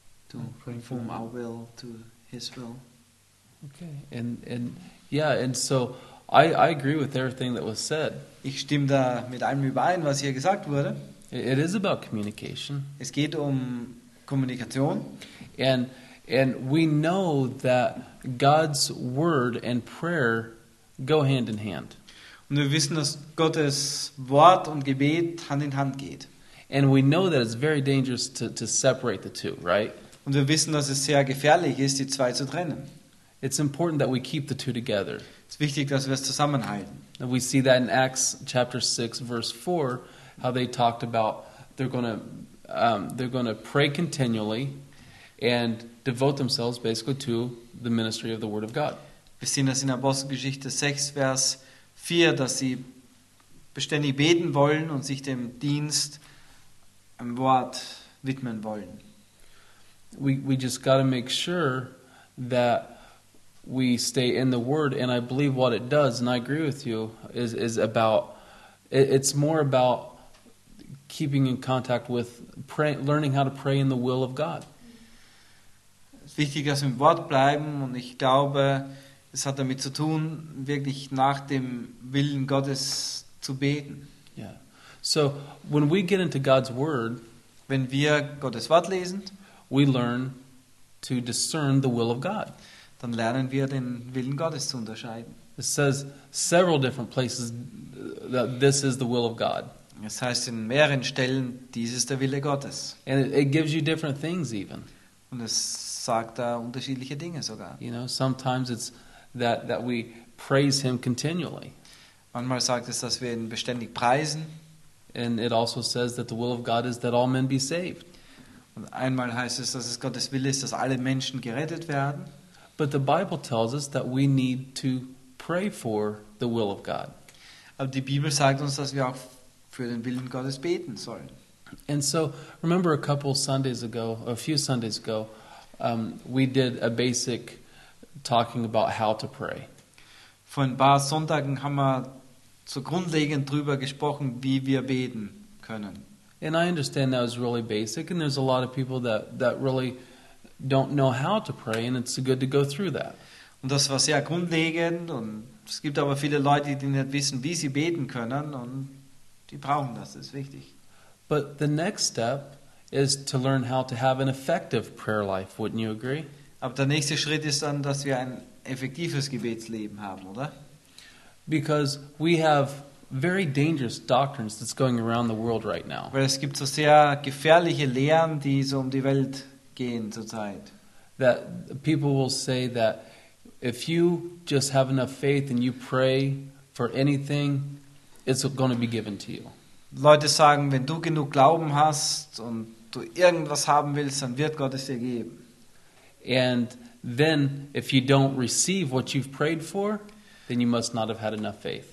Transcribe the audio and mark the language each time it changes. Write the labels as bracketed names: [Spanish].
[English] to conform our will to His will. Okay, and yeah, and so I agree with everything that was said. [German] Ich stimme da mit allem überein, was hier gesagt wurde. [English] It is about communication. [German] Es geht um Kommunikation. [English] And we know that God's word and prayer go hand in hand. [German] Und wir wissen, dass Gottes Wort und Gebet Hand in Hand geht. [English] And we know that it's very dangerous to separate the two, right? [German] Und wir wissen, dass es sehr gefährlich ist, die zwei zu trennen. [English] It's important that we keep the two together. [German] Es ist wichtig, dass wir es zusammenhalten. [English] And we see that in Acts chapter 6 verse 4, how they talked about they're going to pray continually and devote themselves basically to the ministry of the word of God. [German] Wir sehen das in Apostelgeschichte 6 Vers 4, dass sie beständig beten wollen und sich dem Dienst am Wort widmen wollen. [English] We just got to make sure that we stay in the Word, and I believe what it does, and I agree with you, it's more about keeping in contact with praying, learning how to pray in the will of God. [German] Es ist wichtig, dass wir im Wort bleiben, und ich glaube, es hat damit zu tun, wirklich nach dem Willen Gottes zu beten. [English] Yeah. So when we get into God's word, [German] wenn wir Gottes Wort lesen, [English] we learn to discern the will of God. [German] Dann lernen wir, den Willen Gottes zu unterscheiden. [English] It says several different places that this is the will of God. [German] Es heißt in mehreren Stellen, dies ist der Wille Gottes. [English] And it gives you different things even. [German] Und es sagt da unterschiedliche Dinge sogar. [English] You know, sometimes it's that we praise Him continually. [German] Manchmal sagt es, dass wir ihn beständig preisen. [English] And it also says that the will of God is that all men be saved. [German] Und einmal heißt es, dass es Gottes Wille ist, dass alle Menschen gerettet werden. [English] But the Bible tells us that we need to pray for the will of God. [German] Aber die Bibel sagt uns, dass wir auch für den Willen Gottes beten sollen. [English] And so, remember a few Sundays ago, we did a basic talking about how to pray. [German] Vor ein paar Sonntagen haben wir so grundlegend drüber gesprochen, wie wir beten können. [English] And I understand that was really basic, and there's a lot of people that really don't know how to pray, and it's good to go through that. [German] Und das war sehr grundlegend, und es gibt aber viele Leute, die nicht wissen, wie sie beten können, und die brauchen das, ist wichtig. [English] But the next step is to learn how to have an effective prayer life, wouldn't you agree? [German] Aber der nächste Schritt ist dann, dass wir ein effektives Gebetsleben haben, oder? [English] Because we have very dangerous doctrines that's going around the world right now. [German] Weil es gibt so sehr gefährliche Lehren, die so um die Welt gehen zurzeit. [English] That people will say that if you just have enough faith and you pray for anything, it's going to be given to you. [German] Leute sagen, wenn du genug Glauben hast und du irgendwas haben willst, dann wird Gott es dir geben. [English] And then if you don't receive what you've prayed for, then you must not have had enough faith.